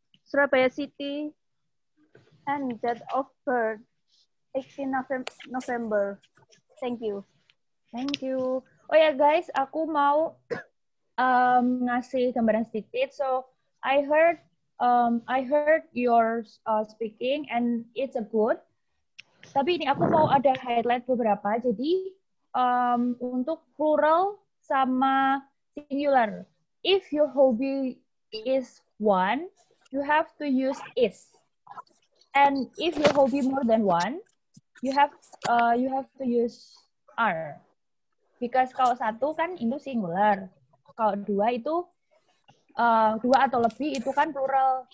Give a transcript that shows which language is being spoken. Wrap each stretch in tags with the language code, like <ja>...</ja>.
<en>Surabaya City, and date of birth, 18 November. Thank you. Thank you. Oh yeah, guys,</en> <id>aku mau ngasih gambaran sedikit.</id> <en>So I heard your speaking and it's a good.</en> <id>Tapi ini aku mau ada highlight beberapa. Jadi untuk plural sama singular.</id> <en>If your hobby is one, you have to use is. And if your hobby more than one, you have to use are.</en> <id>Because kalau satu kan itu singular. Kalau dua itu, dua atau lebih itu kan plural.</id>